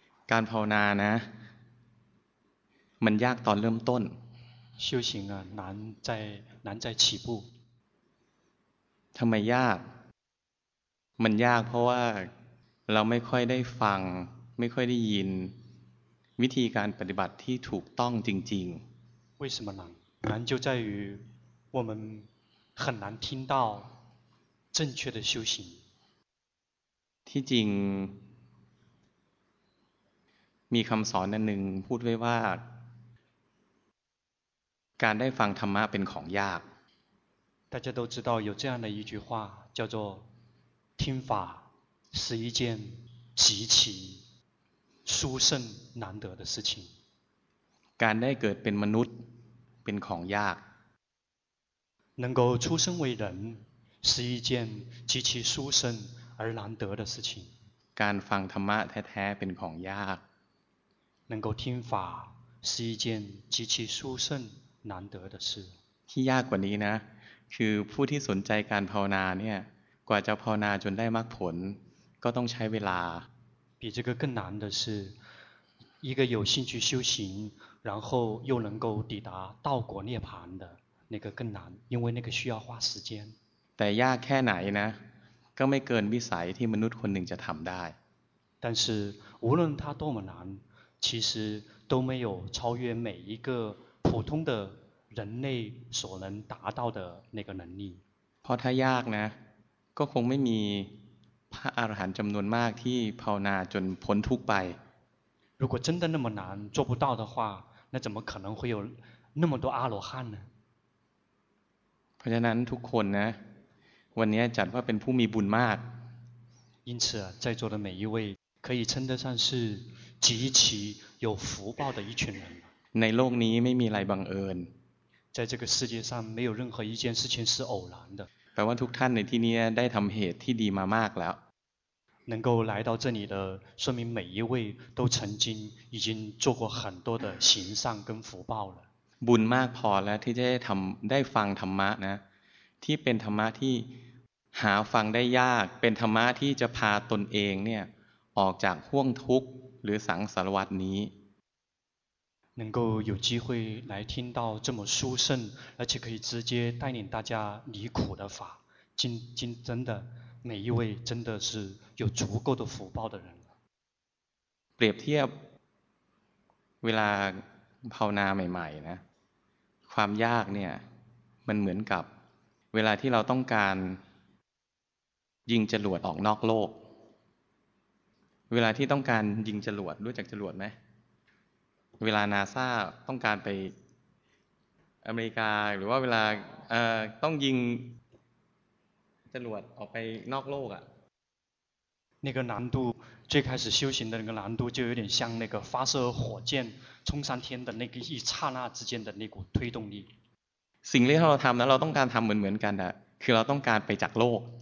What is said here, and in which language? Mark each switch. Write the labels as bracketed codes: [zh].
[th] การภาวนานะมันยากตอนเริ่มต้น [zh] 修行啊难在难在起步 [th] ทำไมยากมันยากเพราะว่าเราไม่ค่อยได้ฟังไม่ค่อยได้ยินวิธีการปฏิบัติที่ถูกต้องจริง ๆ [zh] 为什么难难就在于我们很难听到正确的修行 [th] ที่จริงมีคำสอนหนึ่งพูดไว้ว่าการได้ฟังธรรมะเป็นของยาก [zh] 大家都知道有这样的一句话叫做听法是一件极其殊胜难得的事情 [th] การได้เกิดเป็นมนุษย์เป็นของยาก [zh] 能够出生为人是一件极其殊胜而难得的事情 [th] การฟังธรรมะแท้ๆเป็นของยาก [zh] 能够听法是一件极其殊胜难得的事 [th] ที่ยากกว่านี้นะคือผู้ที่สนใจการภาวนาเนี่ยกว่าจะภาวนาจนได้มรรคผลก็ต้องใช้เวลา [zh] 比这个更难的是一个有兴趣修行然后又能够抵达道果涅槃的那个更难因为那个需要花时间 [th] แต่ยากแค่ไหนนะก็ไม่เกินวิสัยที่มนุษย์คนหนึ่งจะทำได้ [zh] 但是无论它多么难其实都没有超越每一个普通的人类所能达到的那个能力 [th] เพราะถ้ายากนะก็คงไม่มีพระอรหันต์จำนวนมากที่ภาวนาจนพ้นทุกข์ไป [zh] 如果真的那么难做不到的话那怎么可能会有那么多阿罗汉呢 [th] เพราะฉะนั้นทุกคนนะวันนี้จัดว่าเป็นผู้มีบุญมาก [zh] 因此在座的每一位可以称得上是极其有福报的一群人 [th] ในโลกนี้ไม่มีอะไรบังเอิญ [zh] 在这个世界上没有任何一件事情是偶然的 [th] แปลว่าทุกท่านในที่นี้ได้ทำเหตุที่ดีมามากแล้ว [zh] 能够来到这里的说明每一位都曾经已经做过很多的行善跟福报了 [th] บุญมากพอแล้วที่จะได้ทำได้ฟังธรรมะนะที่เป็นธรรมะที่หาฟังได้ยากเป็นธรรมะที่จะพาตนเองเนี่ยออกจากห้วงทุกข์หรือสังสารวัฏนี้ [zh] 能够有机会来听到这么殊胜而且可以直接带领大家离苦的法今真的每一位真的是有足够的福报的人 [th] เปรียบเทียบเวลาภาวนาใหม่ๆนะความยากเนี่ยมันเหมือนกับเวลาที่เราต้องการยิงจรวดออกนอกโลกเวลาที่ต้องการยิงจรวดรู้จักจรวดไหมเวลา NASA ต้องการไปอเมริกาหรือว่าเวลาต้องยิงจรวดออกไปนอกโลกอ่ะ [zh] 那个难度最开始修行的那个难度就有点像那个发射火箭冲上天的那个一刹那之间的那股推动力 [th] สิ่งที่เราทำนะเราต้องการทำเหมือนกันนะคือเราต้องการไปจากโลก